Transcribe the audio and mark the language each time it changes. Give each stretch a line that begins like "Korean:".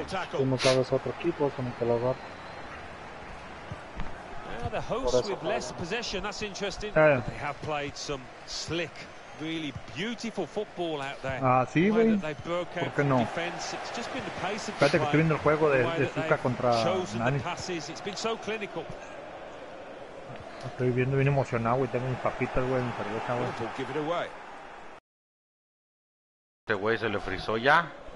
Spanish: Tú no sabes otro equipo con el que lo agarra.
English: The hosts with less possession, that's interesting. Yeah. They have played some slick, really beautiful football out there.
Spanish: Ah, sí, güey. ¿Por qué no? Espérate que estoy viendo el juego de Zuka contra Nani.
English: It's been so clinical.
Spanish: Estoy viendo bien emocionado, güey. Tengo mis papitas, güey, mi cerveza, güey. Este güey se le frizó ya.